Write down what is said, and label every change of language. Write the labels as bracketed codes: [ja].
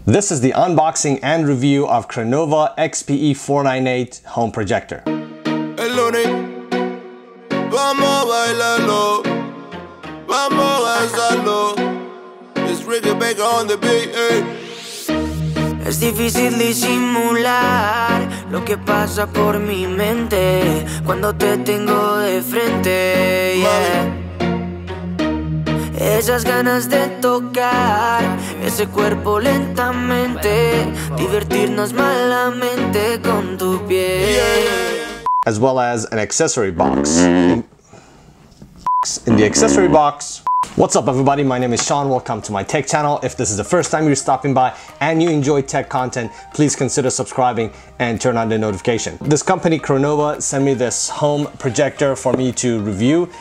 [en] This is the unboxing and review of Cronova XPE498 home projector. [es] El lunes, vamos a bailarlo, vamos a hacerlo. [en] It's Ricky Baker on the beat. [es] Es difícil disimular lo que pasa por mi mente cuando te tengo de frente. Esas ganas de tocar ese cuerpo lentamente, divertirnos malamente con tu piel. [en] As well as an accessory box. In the accessory box. What's up everybody, my name is Sean, welcome to my tech channel. If this is the first time you're stopping by and you enjoy tech content, please consider subscribing and turn on the notification. This company, Cronova, sent me this home projector for me to review.